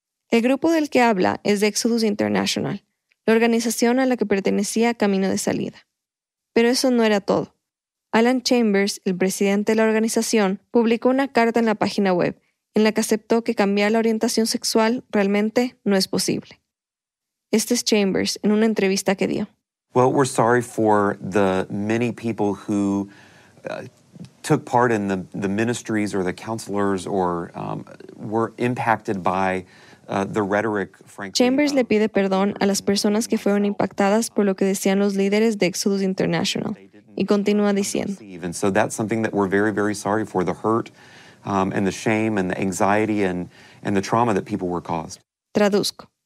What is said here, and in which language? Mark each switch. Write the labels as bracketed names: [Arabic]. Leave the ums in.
[Spanish] El grupo del que habla es de Exodus International, la organización a la que pertenecía Camino de Salida. Pero eso no era todo. Alan Chambers, el presidente de la organización, publicó una carta en la página web en la que aceptó que cambiar la orientación sexual realmente no es posible. Este es Chambers en una entrevista que dio. [English] Well, we're sorry for the many people who uh, took part in the, the, ministries or the counselors or um, were impacted by. Rhetoric, frankly, [Spanish] Chambers le pide perdón a las personas que fueron impactadas por lo que decían los líderes de Exodus International y continúa diciendo. Traduzco.